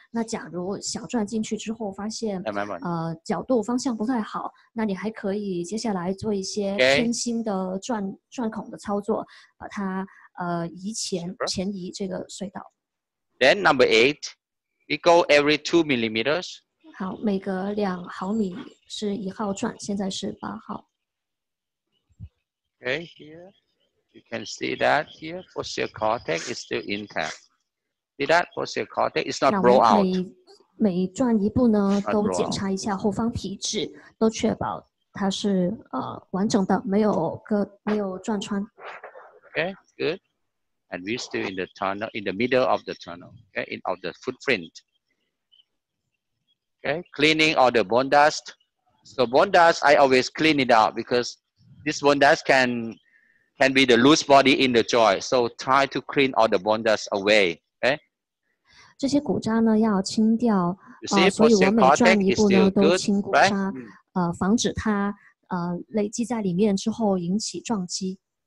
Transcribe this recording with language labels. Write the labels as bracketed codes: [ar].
[zh] 那假如小钻进去之后发现角度方向不太好，那你还可以接下来做一些偏心的钻孔的操作，把它前移这个隧道。 [en] Then number 8, we go every 2 millimeters. [zh] 好，每隔2毫米是1号转，现在是8号。 [en] Okay, here you can see that here posterior cortex is still intact. See that posterior cortex is not blown out. [zh] 每转一步呢，都检查一下后方皮质，都确保它是完整的，没有转穿。 [en] Okay, good. And we still in the tunnel, in the middle of the tunnel, okay, in of the footprint. Okay, cleaning all the bone dust. So bone dust, I always clean it out because this bone dust can be the loose body in the joint. So try to clean all the bone dust away. Okay. [zh] 这些骨渣呢要清掉。 [en] You see, posterior cortex is still good, right? [zh] 防止它累积在里面之后引起撞击。